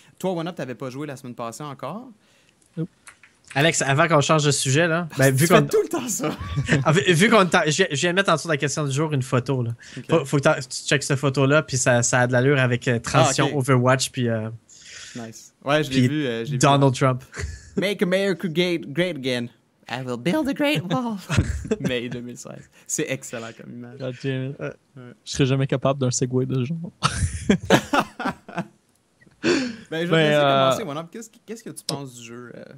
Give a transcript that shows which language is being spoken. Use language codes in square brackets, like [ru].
[fr] Toi, OneUp, t'avais pas joué la semaine passée encore? Alex, avant qu'on change de sujet, là. Ben, vu tu qu'on... fais tout le temps ça. Ah, vu qu'on. Je viens de mettre en dessous de la question du jour une photo, là. Okay. Faut que tu checkes cette photo-là, puis ça a de l'allure avec Transition Overwatch, puis. Nice. Ouais, je l'ai vu. [en] Donald Trump. Make America great again. I will build a great wall. May 2016. [fr] C'est excellent comme image. [en] God damn it. [fr] Ouais. Je serais jamais capable d'un segway de ce genre. Ben, je vais commencer, OneUp. Qu'est-ce que tu penses du jeu?